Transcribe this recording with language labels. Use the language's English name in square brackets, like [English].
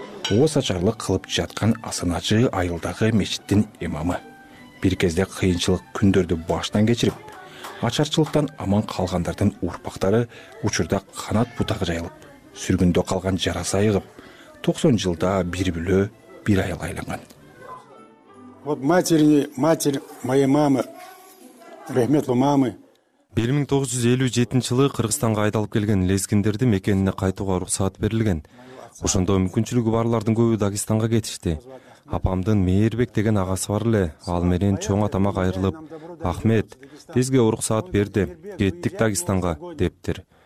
[Kyrgyz] Оос ачарлык кылып жаткан Асаначы айылдагы мечиттин имамы. Бир кезде кыйынчылык күндөрдү баштан кечирип, ачарчылыктан аман калгандардын урпактары учурда канат бутагы жайылып, сүргүндө калган жарасы айыгып, 90 жылда бир бүлө бир айыл айланган. [Russian] Вот матерь моей мамы, рахметлу мамы. [Kyrgyz] 1957-жылы Кыргызстанга айдалып келген лезгиндерди мекенине кайтууга уруксат берилген. Ошондо мүмкүнчүлүгү барлардын көбү Дагестанга кетишти. Апамдын Мээрбек деген агасы бар эле. Ал менен чоң атама кайрылып, Ахмет, бизге уруксат берди, кеттик Дагестанга дептир.